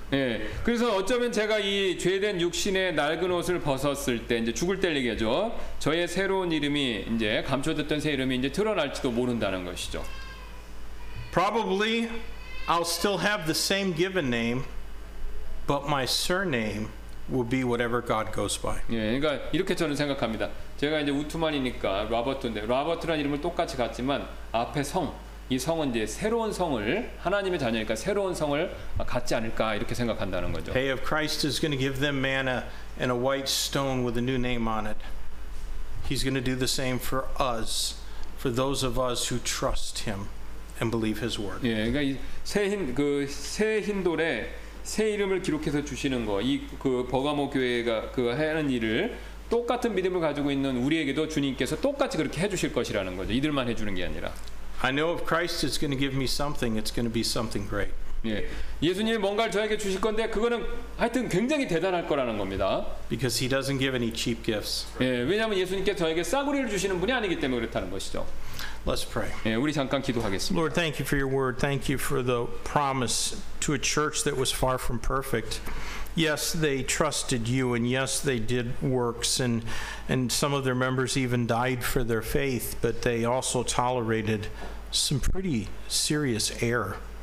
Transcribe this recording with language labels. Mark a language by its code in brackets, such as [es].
[ko] 예, 그래서 어쩌면 제가 이 죄된 육신의 낡은 옷을 벗었을 때 이제 죽을 때 얘기죠. 저의 새로운 이름이 이제 감춰졌던 새 이름이 이제 드러날지도 모른다는 것이죠. [en] Probably I'll still have the same given name, but my surname will be whatever God goes by. [ko] 예, 그러니까 이렇게 저는 생각합니다. 제가 이제 우투만이니까 로버트인데 로버트라는 이름을 똑같이 갖지만 앞에 성 이 성은 이제 새로운 성을 하나님의 자녀니까 새로운 성을 갖지 않을까 이렇게 생각한다는 거죠. [en] Hey, if Christ is going to give them manna and a white stone with a new name on it, He's going to do the same for us, for those of us who trust Him and believe His word. [ko] 예, 그러니까 새 흰 돌에 새 이름을 기록해서 주시는 거, 이 그 버가모 교회가 그 하는 일을 똑같은 믿음을 가지고 있는 우리에게도 주님께서 똑같이 그렇게 해주실 것이라는 거죠. 이들만 해주는 게 아니라. [en] I know if Christ is going to give me something, it's going to be something great. [ko] 예, 예수님이 뭔가를 저에게 주실 건데 그거는 하여튼 굉장히 대단할 거라는 겁니다. [en] Because He doesn't give any cheap gifts. [ko] 예, 왜냐하면 예수님께 저에게 싸구리를 주시는 분이 아니기 때문에 그렇다는 것이죠. [en] Let's pray. [ko] 예, 우리 잠깐 기도하겠습니다. [en] Lord, thank you for your word. Thank you for the promise to a church that was far from perfect. Yes, they trusted you, and yes, they did works, and some of their members even died for their faith, but they also tolerated some pretty serious error.